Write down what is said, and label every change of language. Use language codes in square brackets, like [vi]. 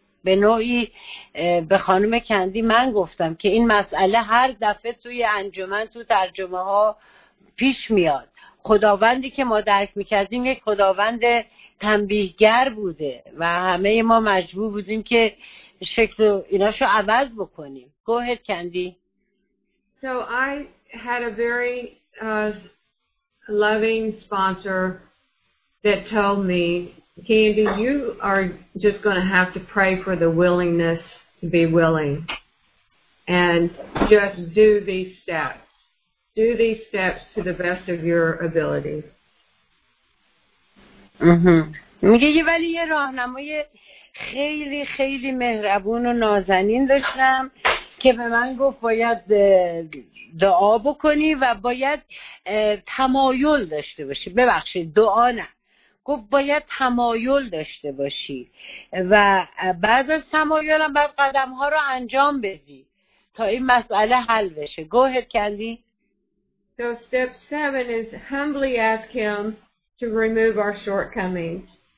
[fa] به نوعی به خانم کندی من گفتم که این مسئله هر دفعه توی انجمن تو ترجمه ها پیش میاد. خداوندی که ما درک میکردیم یک خداوند تنبیهگر بوده و همه ما مجبور بودیم که شکل ایناشو عوض بکنیم. [en] Go ahead, Candy. So I had a very loving sponsor that told me, Candy, you are just going to have to pray for the willingness to be willing and just do these steps. Do these steps to the best of your ability. [fa] میگه یه ولی یه راهنمای خیلی خیلی مهربون و نازنین داشتم که به من گفت باید دعا بکنی و باید تمایل داشته باشی. ببخشید دعا نه. گفت باید تمایل داشته باشی و بعد از تمایلم باید قدمها رو انجام بدی تا این مسئله حل بشه. [en] گوهر کندی؟ So step 7 is humbly ask him to remove our shortcomings.